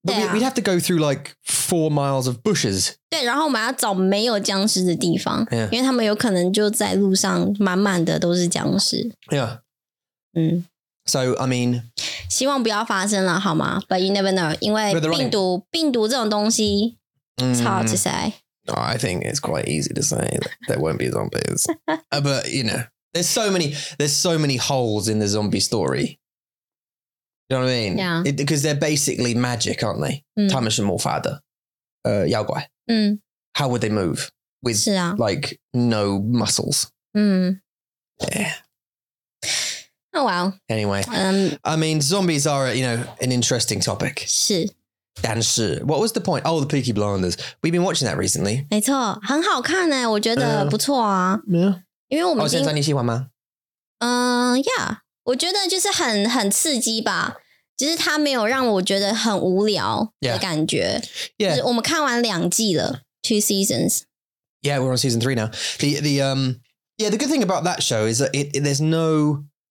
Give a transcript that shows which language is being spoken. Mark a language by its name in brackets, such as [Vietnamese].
[English] But we'd have to go through like 4 miles of bushes. [Chinese] 对，然后我们要找没有僵尸的地方， [English] yeah. [Chinese] 因为他们有可能就在路上，满满的都是僵尸。 [English] Yeah. 嗯。 So I mean. [Chinese] 希望不要发生了好吗 [English] But you never know [Chinese] 因为病毒这种东西 [English] It's hard to say oh, I think it's quite easy to say There won't be zombies But you know There's so many holes in the zombie story You know what I mean? Yeah it, Because they're basically magic aren't they? [Chinese] 他们是魔法的妖怪 [English] How would they move? With [Chinese] 是啊 [English] Like no muscles Yeah Oh, wow. Anyway, I mean, zombies are, you know, an interesting topic. [Chinese] 是。但是, [English] what was the point? Oh, the Peaky Blinders. We've been watching that recently. [Chinese] 没错,很好看耶,我觉得不错啊。因为我们现在你喜欢吗? yeah, 我觉得就是很刺激吧。就是它没有让我觉得很无聊的感觉。 [English] Yeah. [Chinese] 我们看完两季了, [English] two seasons. Yeah, we're on season three now. The good thing about that show is that there's no...